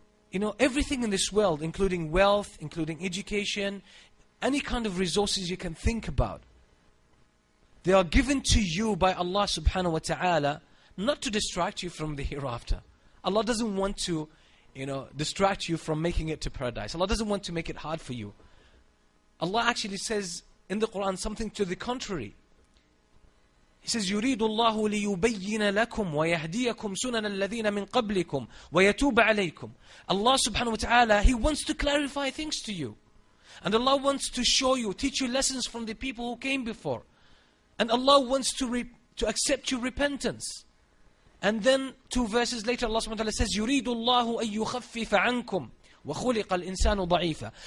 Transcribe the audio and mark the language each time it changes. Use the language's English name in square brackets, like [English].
[English] You know, everything in this world, including wealth, including education, any kind of resources you can think about, they are given to you by Allah subhanahu wa ta'ala not to distract you from the hereafter. Allah doesn't want to, you know, distract you from making it to paradise. Allah doesn't want to make it hard for you. Allah actually says in the Quran something to the contrary. He says, [Arabic] يُرِيدُ اللَّهُ لِيُبَيِّنَ لَكُمْ وَيَهْدِيَكُمْ سُنَنَ الَّذِينَ مِنْ قَبْلِكُمْ وَيَتُوبَ عَلَيْكُمْ. [English] Allah subhanahu wa ta'ala, He wants to clarify things to you. And Allah wants to show you, teach you lessons from the people who came before. And Allah wants to accept your repentance. And then two verses later, Allah subhanahu wa ta'ala says, [Arabic] يُرِيدُ اللَّهُ أَن يُخَفِّفَ عَنْكُمْ وَخُلِقَ الْإِنسَانُ ضَعِيفًا.